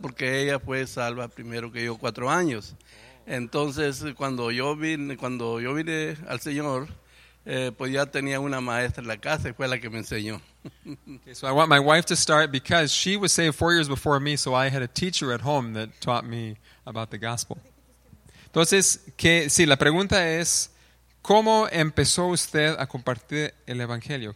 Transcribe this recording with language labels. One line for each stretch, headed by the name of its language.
Spanish: Porque ella fue salva primero que yo 4 años. Entonces, cuando yo vine al Señor... pues ya tenía una maestra en la casa y fue la que me enseñó.
English: Okay, so I want my wife to start because she was saved 4 years before me, so I had a teacher at home that taught me about the gospel.
Spanish: Entonces, que sí, la pregunta es, ¿cómo empezó usted a compartir el evangelio?